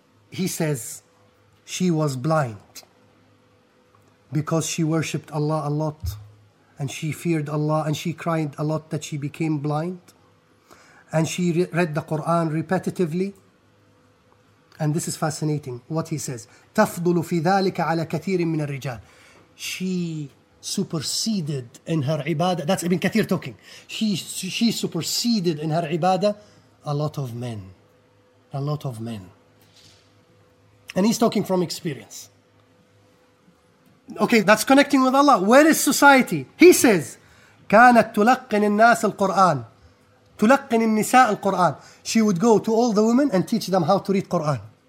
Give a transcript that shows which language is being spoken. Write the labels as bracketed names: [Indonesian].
[English] He says, she was blind because she worshipped Allah a lot and she feared Allah and she cried a lot that she became blind. And she read the Quran repetitively. And this is fascinating what he says. [Arabic] تَفْضُلُ فِي ذَلِكَ عَلَى كَثِيرٍ مِّنَ الرِّجَالِ [English] She superseded in her ibadah. That's Ibn Kathir talking. She superseded in her ibadah a lot of men. A lot of men. And he's talking from experience. Okay, that's connecting with Allah. Where is society? He says, [Arabic] كَانَتْ تُلَقِّنِ النَّاسِ الْقُرْآنِ تُلَقِّنِ النِّسَاءِ الْقُرْآنِ [English] She would go to all the women and teach them how to read Qur'an.